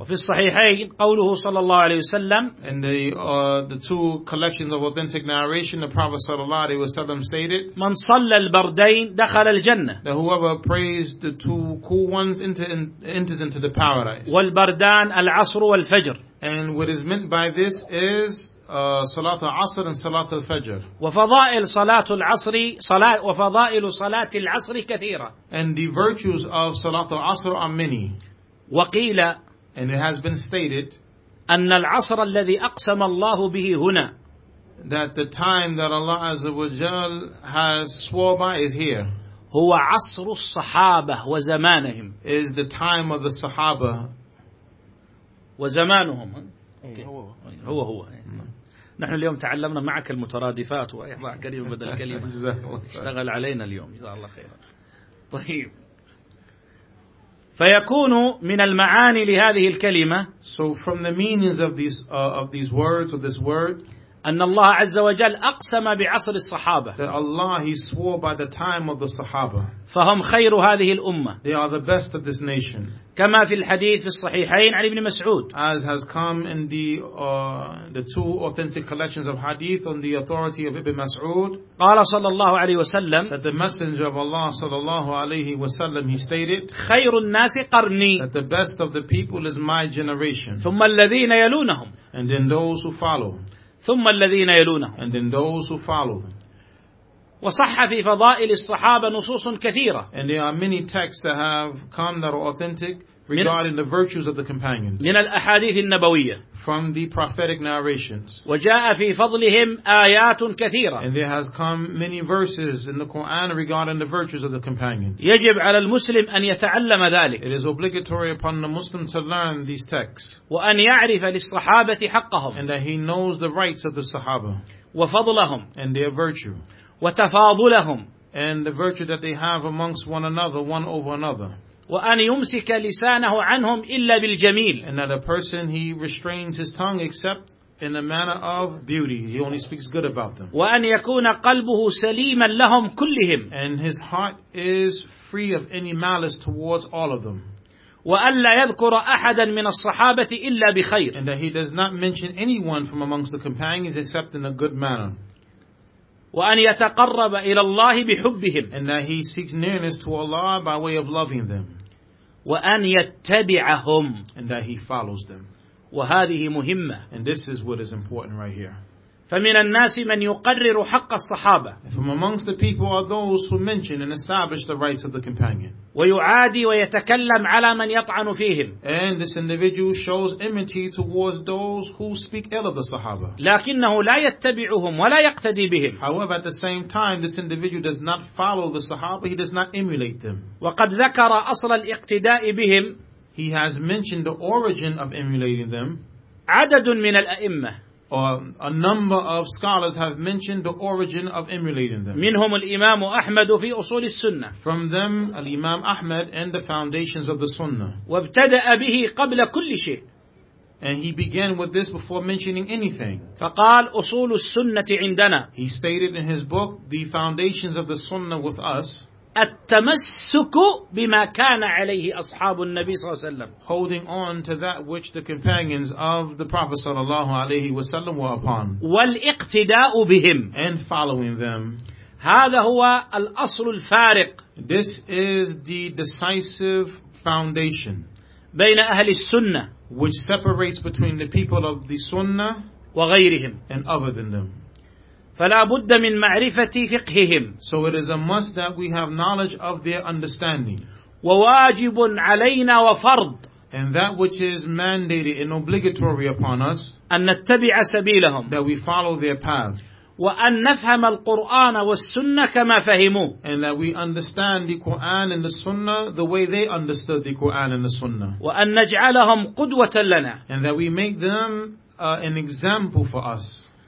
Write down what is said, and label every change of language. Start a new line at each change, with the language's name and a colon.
Arabic: وفي الصحيحين قوله صلى الله عليه وسلم
English: and the two collections of authentic narration the Prophet
Arabic: صلى الله عليه وسلم
English: stated
Arabic: من صلى البردين دخل الجنة
English: that whoever prays the two cool ones enters into the paradise
Arabic: والبردان العصر والفجر
English: and what is meant by this is
Arabic: صلاة العصر
English: and
Arabic: صلاة الفجر وفضائل صلاة العصر صلاة وفضائل صلاة العصر كثيرة
English: and the virtues of
Arabic: صلاة العصر
English: are many
Arabic: وقيل
English: and it has been stated
Arabic: أن العصر الذي أقسم الله به هنا
English: that the time that Allah Azza wa Jal has swore by is here
Arabic: هو عصر الصحابة وزمانهم
English: is the time of the صحابة
Arabic: وزمانهم
English: Okay.
Arabic: هو هو نحن اليوم تعلمنا معك المترادفات وإضاء كلمة بدل كلمة اشتغل علينا اليوم جزاه الله خيرا طيب فيكون من المعاني لهذه الكلمة
English: so from the meanings of these words or this word
Arabic: أن الله عز وجل أقسم بعصر الصحابة
English: that Allah he swore by the time of the Sahaba
Arabic: فهم خير هذه الأمة
English: they are the best of this nation
Arabic: كما في الحديث في الصحيحين علي بن مسعود
English: as has come in the two authentic collections of hadith on the authority of Ibn Mas'ud
Arabic: قال صلى الله عليه وسلم
English: that the messenger of Allah
Arabic: صلى الله عليه وسلم
English: he stated
Arabic: خير الناس قرني
English: that the best of the people is my generation
Arabic: ثم الذين يلونهم
English: and then those who follow
Arabic: ثم الذين يلونهم
English: and then those who follow
Arabic: وصح في فضائل الصحابة نصوص كثيرة.
English: And there are many texts that have come that are authentic regarding the virtues of the companions.
Arabic: من الأحاديث النبوية.
English: From the prophetic narrations.
Arabic: وجاء في فضلهم آيات كثيرة.
English: And there has come many verses in the Quran regarding the virtues of the companions.
Arabic: يجب على المسلم أن يتعلم ذلك.
English: It is obligatory upon the Muslim to learn these texts.
Arabic: وأن يعرف للصحابة حقهم.
English: And that he knows the rights of the Sahaba.
Arabic: وفضلهم.
English: And their virtue.
Arabic: وتفاضلهم.
English: And the virtue that they have amongst one another, one over another.
Arabic: وأن يمسك لسانه عنهم إلا بالجميل.
English: And that a person he restrains his tongue except in the manner of beauty. He only speaks good about them.
Arabic: وأن يكون قلبه سليما لهم كلهم.
English: And his heart is free of any malice towards all of them.
Arabic: وأن لا يذكر أحدا من الصحابة إلا بخير.
English: And that he does not mention anyone from amongst the companions except in a good manner.
Arabic: وأن يتقرب إلى الله بحبهم.
English: And that he seeks nearness to Allah by way of loving them.
Arabic: وأن يتبعهم.
English: And that he follows them.
Arabic: وهذه مهمة.
English: And this is what is important right here.
Arabic: فمن الناس من يقرر حق الصحابة.
English: And from amongst the people are those who mention and establish the rights of the companion.
Arabic: ويعادي ويتكلم على من يطعن فيهم.
English: And this individual shows enmity towards those who speak ill of the Sahaba.
Arabic: لكنه لا يتبعهم ولا يقتدي بهم.
English: However, at the same time, this individual does not follow the Sahaba. He does not emulate them.
Arabic: وقد ذكر أصل الاقتداء بهم.
English: He has mentioned the origin of emulating them.
Arabic: عدد من الأئمة.
English: Or a number of scholars have mentioned the origin of emulating them.
Arabic: منهم الإمام أحمد في أصول السنة.
English: From them, Imam Ahmad and the foundations of the Sunnah.
Arabic: وابتدأ به قبل كل شيء.
English: And he began with this before mentioning anything.
Arabic: فقال أصول السنة عندنا.
English: He stated in his book, "The foundations of the Sunnah with us."
Arabic: التمسك بما كان عليه أصحاب النبي صلى الله عليه وسلم.
English: Holding on to that which the companions of the Prophet
Arabic: صلى الله عليه وسلم
English: were upon.
Arabic: والاقتداء بهم.
English: And following them.
Arabic: هذا هو الأصل الفارق.
English: This is the decisive foundation.
Arabic: بين أهل السنة.
English: Which separates between the people of the Sunnah.
Arabic: وغيرهم.
English: And other than them.
Arabic: فلا بد من معرفة فقههم.
English: So it is a must that we have knowledge of their understanding.
Arabic: وواجب علينا وفرض.
English: And that which is mandated and obligatory upon us.
Arabic: أن نتبع سبيلهم.
English: That we follow their path.
Arabic: وأن نفهم القرآن والسنة كما فهموه.
English: And that we understand the Quran and the Sunnah the way they understood the Quran and the Sunnah.
Arabic: وأن نجعلهم قدوة لنا.
English: And that we make them an example for us.